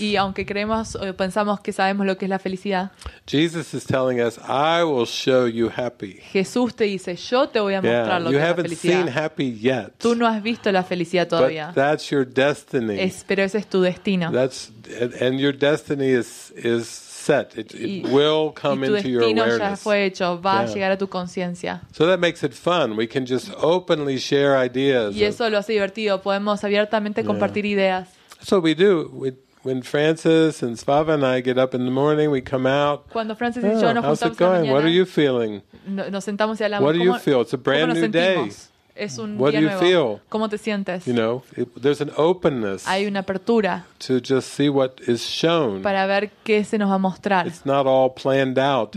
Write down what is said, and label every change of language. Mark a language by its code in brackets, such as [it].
[es] Y aunque creemos o pensamos que sabemos lo que es la felicidad. [en] Jesus is telling us, I will show you happy. [es] Jesús te dice, yo te voy a mostrar lo que es la felicidad. [en] You haven't seen happy yet. [es] Tú no has visto la felicidad todavía. [en] But that's your destiny. [es] Pero ese es tu destino. [en] And your destiny is set. It will come into your awareness. [es] Y tu destino ya fue hecho. Va a llegar a tu conciencia. [en] So that makes it fun. We can just openly share ideas. [es] Y eso lo hace divertido. Podemos abiertamente compartir ideas. [en] So we do. When Francis and Svava and I get up in the morning, we come out. [es] Cuando Francis y yo nos juntamos en la mañana. [en] How's it going? What are you feeling? [es] Nos sentamos y hablamos. [en] What do you feel? It's a brand new day. [es] Es un [en] what [es] día [en] do you [es] nuevo. [en] Feel? [es] ¿Cómo te sientes? [en] You know, there's an openness. [es] Hay una apertura. [en] To just see what is shown. [es] Para ver qué se nos va a mostrar. [en] It's not all planned out